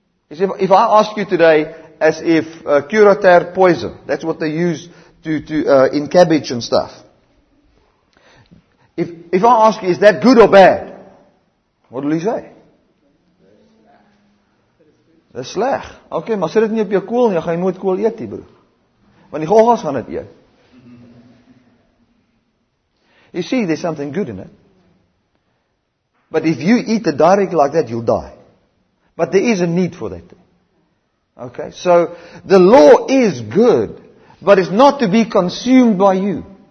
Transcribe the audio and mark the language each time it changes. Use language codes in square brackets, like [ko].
[en] You see, if I ask you today, as if curater poison, that's what they use in cabbage and stuff. If I ask you, is that good or bad? What will you say? [af] Dis sleg. Okay, maar sit dit nie op jou kool nie, jy gaan nooit kool eet nie, broer. Want die goggas gaan dit eet. [en] You see, there's something good in it. But if you eat it directly like that, you'll die. But there is a need for that. Okay, so the law is good, but it's not to be consumed by you.